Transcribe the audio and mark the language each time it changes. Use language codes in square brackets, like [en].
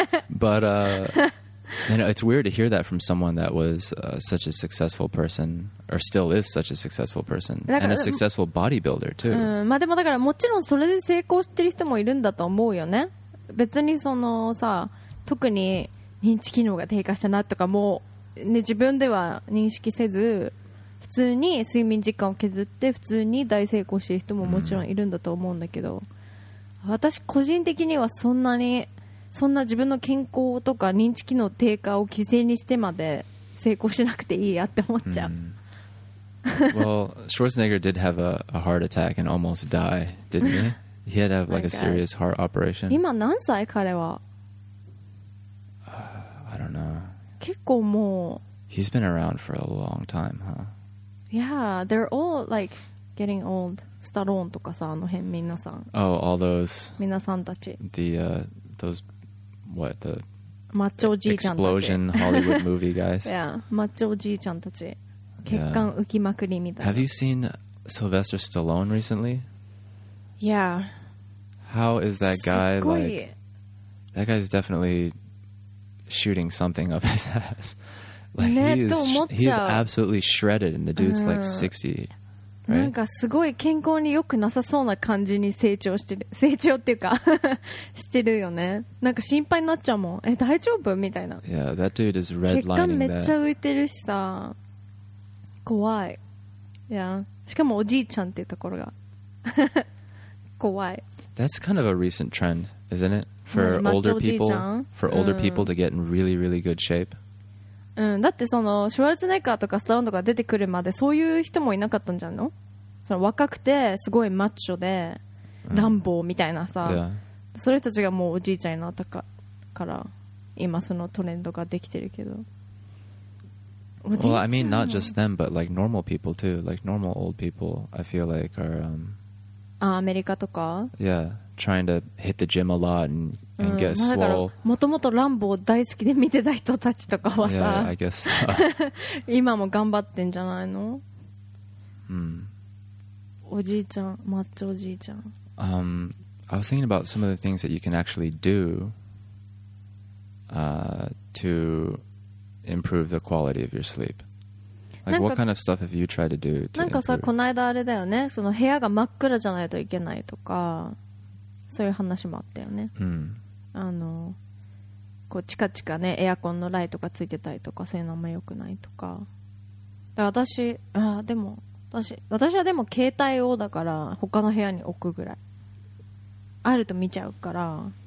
[en] But, you know, it's weird to hear that from someone that was such a successful person, or still is such a successful person, and a successful bodybuilder too. [ja] まあでもだからもちろんそれで成功してる人もいるんだと思うよね。別にそのさ、特に認知機能が低下したなとかも、ね、自分では認識せず、普通に睡眠時間を削って普通に大成功してる人ももちろんいるんだと思うんだけど、mm. 私個人的にはそんなに、そんな自分の健康とか認知機能低下を犠牲にしてまで成功しなくていいやって思っちゃう。 [en] Mm. Well, Schwarzenegger did have a heart attack and almost die, didn't he? He had to have like a serious heart operation. [ja] 今何歳彼は [en] I don't know. [ja] 結構もう [en] He's been around for a long time, huh? Yeah, they're all like getting old. [ja] スタローンとかさ、あの辺みんなさん。 [en] Oh, all those. [ja] みなさんたち。 [en] The, those, what, the. [ja] マッチョおじいちゃんたち。 [en] Explosion Hollywood movie guys. [ja] Yeah, マッチョおじいちゃんたち。血管浮きまくりみたいな。 [en] Have you seen Sylvester Stallone recently? Yeah. How is that guy like? That guy's definitely shooting something up his ass. Like、ね、 he is absolutely shredded and the dude's、うん、like 60、right? [ja] なんかすごい健康に良くなさそうな感じに成長してる、成長っていうかしてるよね。なんか心配になっちゃうもん、え大丈夫みたいな。 [en] Yeah, that dude is redlining that. [ja] 血管めっちゃ浮いてるしさ、怖い。 Yeah, しかもおじいちゃんっていうところが怖い。 [en] That's kind of a recent trend, isn't it? For older people, for older people to get in really, really good shape [ja] うん、だってそのシュワルツネッガーとかスタロンとか出てくるまでそういう人もいなかったんじゃんの？その若くてすごいマッチョで乱暴みたいなさ、うん、 [en] yeah. [ja] それたちがもうおじいちゃんになったから今そのトレンドができてるけど。 [en] Well, I mean not just them, but like normal people too. Like normal old people, I feel like are [ja] あ、アメリカとか？ [en] Yeah. Trying to hit the gym a lot and get swole. [ja] もともと乱暴大好きで見てた人たちとかはさ、 [en] yeah, I guess so. [ja] 今も頑張ってんじゃないの？ Hmm. おじいちゃん、マッチョおじいちゃん。 [en] I was thinking about some of the things that you can actually do to improve the quality of your sleep. Like what kind of stuff have you tried to do to improve? [ja] なんかさ、この間あれだよね。その部屋が真っ暗じゃないといけないとか。そういう話もあったよね、うん、あのこうチカチカねエアコンのライトがついてたりとかそういうのも良くないとか。で私あでも 私はでも携帯をだから他の部屋に置くぐらいあると見ちゃうから。